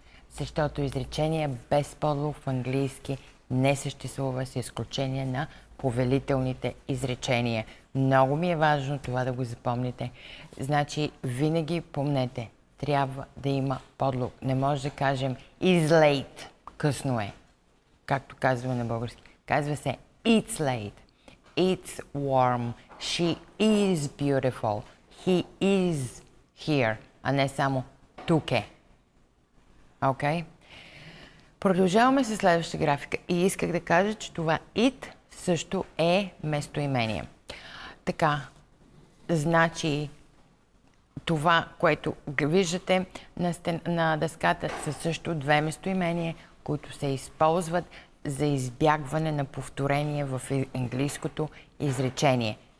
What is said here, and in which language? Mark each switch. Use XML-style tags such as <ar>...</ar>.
<bg>Защото изречение без подлог в английски не съществува с изключение на повелителните изречения. Много ми е важно това да го запомните. Значи, винаги помнете, трябва да има подлог. Не може да кажем</bg> <en>is late,</en> <bg>късно е. Както казваме на български. Казва се</bg> <en>it's late, it's warm, she is beautiful, he is here,</en> <bg>а не само тук е. Окей? Продължаваме с следващата графика и исках да кажа, че това it също е местоимение. Така, значи това, което виждате на, на дъската, са също две местоимения, които се използват за избягване на повторение в английското изречение.</bg>